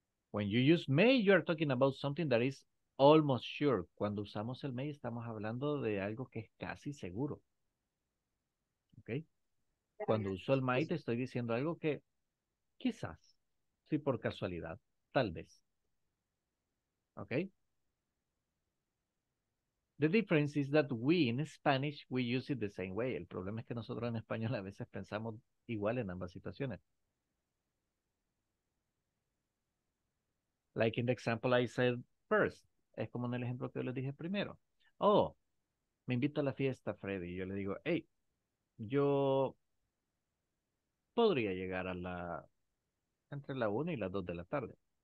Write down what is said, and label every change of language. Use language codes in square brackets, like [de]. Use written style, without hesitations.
[en] When you use may, you are talking about something that is almost sure. [es] Cuando usamos el may, estamos hablando de algo que es casi seguro. Okay? Cuando uso el might, estoy diciendo algo que quizás, si por casualidad, tal vez. [en] Okay? The difference is that we, in Spanish, we use it the same way. [es] El problema es que nosotros en español a veces pensamos igual en ambas situaciones. [en] Like in the example I said first. [es] Es como en el ejemplo que yo les dije primero. Oh, me invito a la fiesta, Freddy. Y yo le digo, hey, yo podría llegar a la entre la 1 y las 2 de la tarde.